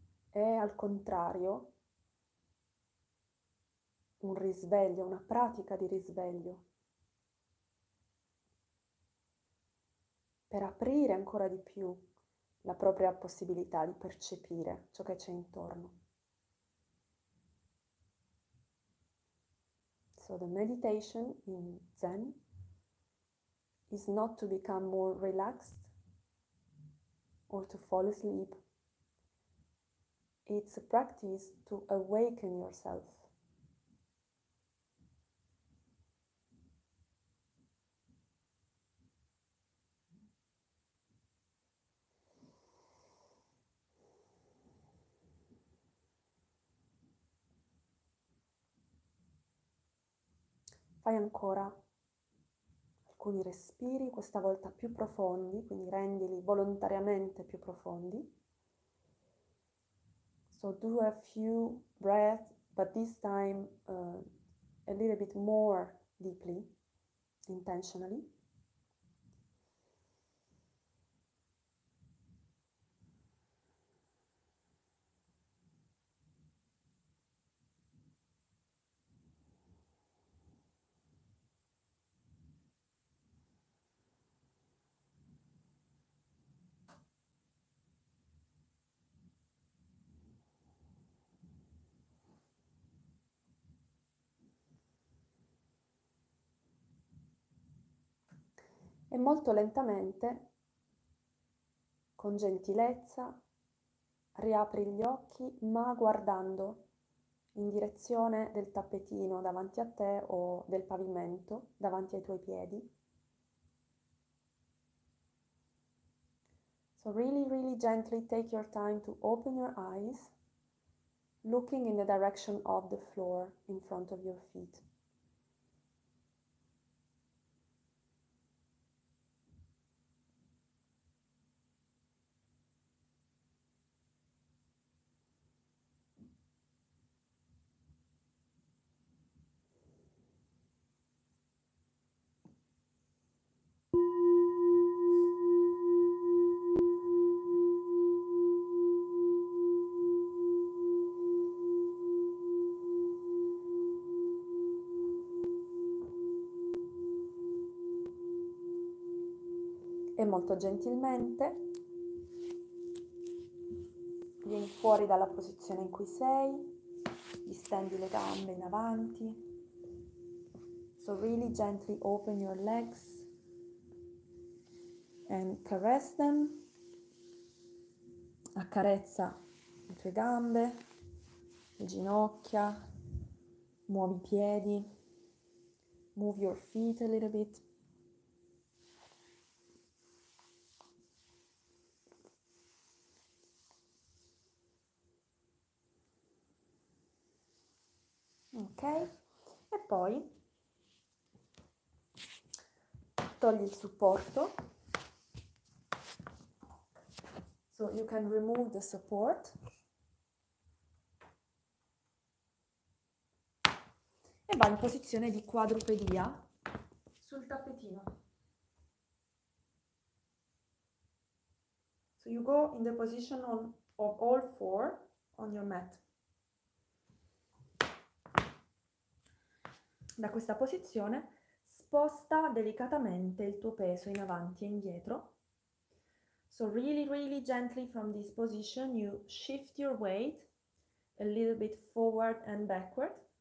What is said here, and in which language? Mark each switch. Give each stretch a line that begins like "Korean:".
Italian: È al contrario un risveglio, una pratica di risveglio per aprire ancora di più la propria possibilità di percepire ciò che c'è intorno.
English: So the meditation in Zen is not to become more relaxed or to fall asleep. It's a practice to awaken yourself.
Italian: Fai ancora alcuni respiri, questa volta più profondi, quindi rendili volontariamente più profondi.
English: So do a few breaths, but this time a little bit more deeply, intentionally.
Italian: E molto lentamente, con gentilezza, riapri gli occhi, ma guardando in direzione del tappetino davanti a te o del pavimento davanti ai tuoi piedi.
English: So really, really gently take your time to open your eyes, looking in the direction of the floor in front of your feet.
Italian: E molto gentilmente vieni fuori dalla posizione in cui sei, distendi le gambe in avanti.
English: So really gently open your legs and caress them.
Italian: Accarezza le tue gambe, le ginocchia, muovi i piedi,
English: move your feet a little bit.
Italian: E poi togli il supporto.
English: So you can remove the support.
Italian: E va in posizione di quadrupedia sul tappetino.
English: So you go in the position of all four on your mat.
Italian: Da questa posizione sposta delicatamente il tuo peso in avanti e indietro.
English: So really, really gently from this position you shift your weight a little bit forward and backward.